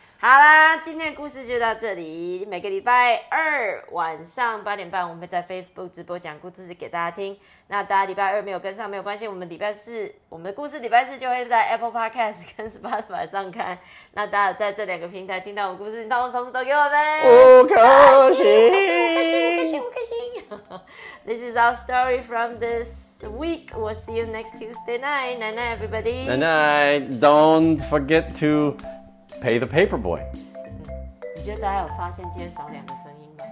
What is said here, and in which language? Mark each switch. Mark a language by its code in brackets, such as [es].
[zh] 好啦，今天的故事就到这里。每个礼拜二晚上八点半，我们会在 Facebook 直播讲故事给大家听。那大家礼拜二没有跟上没有关系，我们礼拜四我们的故事礼拜四就会在 Apple Podcast 跟 Spotify 上看。那大家在这两个平台听到我们故事，你到时候都给我们五颗星，五颗星，五颗星，五颗星。 [en] This is our story from this week. We'll see you next Tuesday night. Night night, everybody. Night night. Don't forget to pay the paper boy. [zh] 你觉得大家有发现今天少两个声音吗？